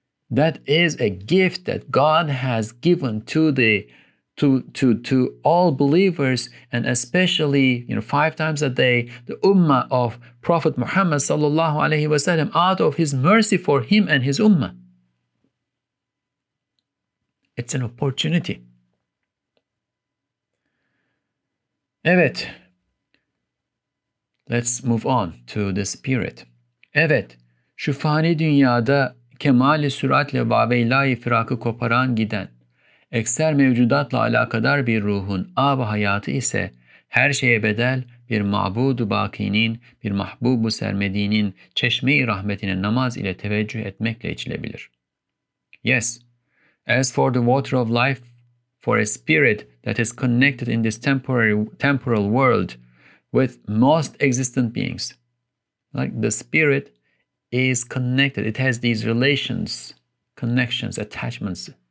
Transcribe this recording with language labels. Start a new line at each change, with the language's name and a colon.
English: That is a gift that God has given to all believers, and especially, you know, five times a day, the ummah of Prophet Muhammad sallallahu alaihi wasallam, out of His mercy for him and his ummah. It's an opportunity.
Turkish: Evet.
English: Let's move on to the spirit.
Turkish: Evet. Şu fani dünyada kemali süratle vaveylai firakı koparan giden, ekser mevcudatla alakadar bir ruhun âb-ı hayatı ise her şeye bedel bir mabud-u bakinin, bir mahbub-u sermedinin çeşme-i rahmetine namaz ile teveccüh etmekle içilebilir.
English: Yes, as for the water of life for a spirit that is connected in this temporal world with most existent beings, like the spirit is connected, it has these relations, connections, attachments.